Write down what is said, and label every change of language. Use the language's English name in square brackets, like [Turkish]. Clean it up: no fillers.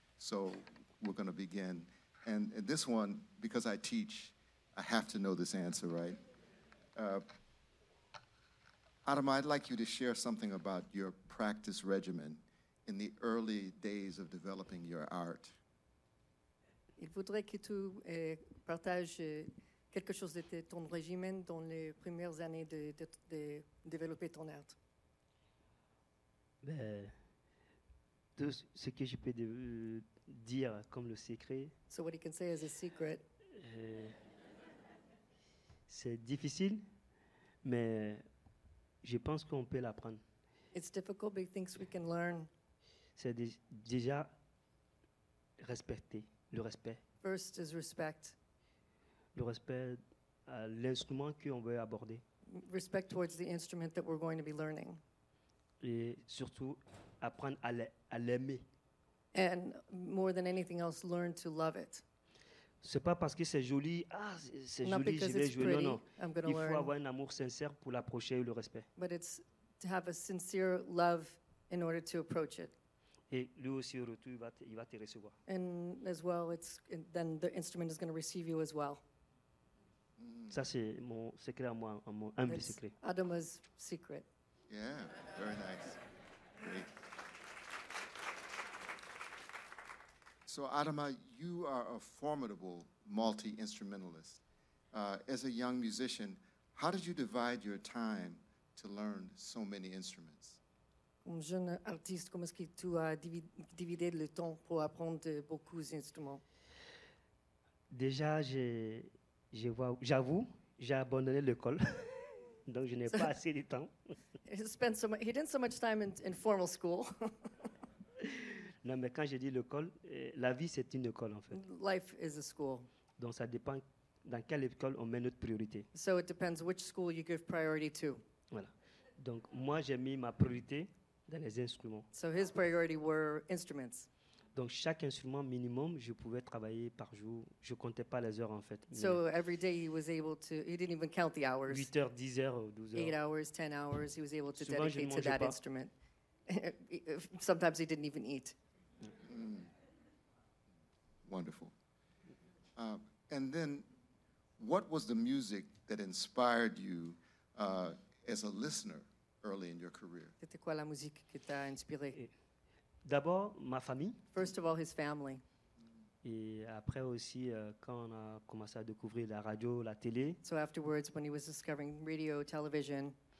[English] So we're going to begin. And this one, because I teach, I have to know this answer, right? Adama, I'd like you to share something about your practice regimen in the early days of developing your art. [French] Il voudrait que tu partages quelque chose de ton régime dans les premières années de développer ton art. Ben, tout ce que je peux dire comme le secret. [English] So what you can say as a secret. [French] C'est difficile, mais je pense qu'on peut l'apprendre. [English] It's difficult, but things we can learn. [French] C'est déjà respecter le respect. [English] First is respect. [French] Le respect à l'instrument qu'on veut aborder. [English] Respect towards the instrument that we're going to be learning. [French] Et surtout, apprendre à l'aimer. [English] And more than anything else, learn to love it. [French] C'est pas parce que c'est joli, ah, c'est [English] not [French] joli, j'y vais jouer. [English] Pretty, [French] non, non. [English] I'm gonna [French] Il faut [English] learn. [French] Avoir un amour sincère pour l'approcher et le respect. [English] But it's to have a sincere love in order to approach it. [French] Et lui aussi, au retour, il va te recevoir. [English] And as well, it's, and then the instrument is going to receive you as well. [French] Ça, c'est mon secret à moi, mon humble secret. [English] Adama's secret. Yeah, very nice. Great. So, Adama, you are a formidable multi-instrumentalist. As a young musician, how did you divide your time to learn so many instruments? [French] Un jeune artiste, comment est-ce que tu as divisé le temps pour apprendre beaucoup d'instruments? Déjà, j'avoue, j'ai abandonné l'école, donc je n'ai pas assez de temps. [English] He didn't so much time in formal school. [French] Non, mais quand je dis l'école, la vie c'est une école en fait. [English] Life is a school. [French] Donc ça dépend dans quelle école on met notre priorité. [English] So it depends which school you give priority to. [French] Voilà. Donc moi j'ai mis ma priorité dans les instruments. [English] So his priority were instruments. [French] Donc chaque instrument minimum, je pouvais travailler par jour. Je comptais pas les heures en fait. [English] So every day he was able to, he didn't even count the hours. [French] 8 heures, 10 heures, 12 heures. [English] 8 hours, 10 hours, he was able to [French] souvent, [English] dedicate to that [French] pas. [English] Instrument. Sometimes he didn't even eat. Mm. Wonderful. And then, what was the music that inspired you as a listener early in your career? [French] C'était quoi la musique qui t'a inspiré? D'abord, ma famille. [English] First of all, his family. [French] Et après aussi, quand on a commencé à découvrir la radio, la télé. [English] So afterwards, when he was discovering radio, television.